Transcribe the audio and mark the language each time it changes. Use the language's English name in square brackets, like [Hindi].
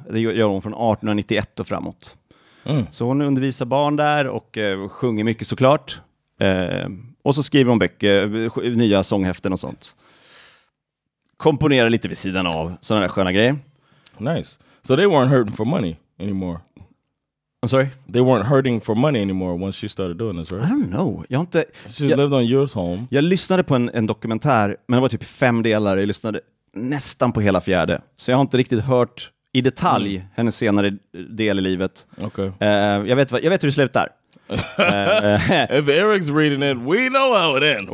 [Swedish] Det gör hon från 1891 och framåt. Mm. Så hon undervisar barn där och sjunger mycket såklart. Och så skriver hon böcker, nya sånghäften och sånt. Komponerar lite vid sidan av, sådana där sköna grejer. [English] Nice. So they weren't hurting for money anymore. I'm sorry? They weren't hurting for money anymore once she started doing this, right? I don't know. [Swedish] Jag har inte, lived on yours home. Jag lyssnade på en dokumentär, men det var typ 5 delar. Jag lyssnade nästan på hela fjärde. Så jag har inte riktigt hört i detalj hennes senare del i livet. Okay. Jag vet hur det slutar. [English] If Eric's reading it, we know how it ends.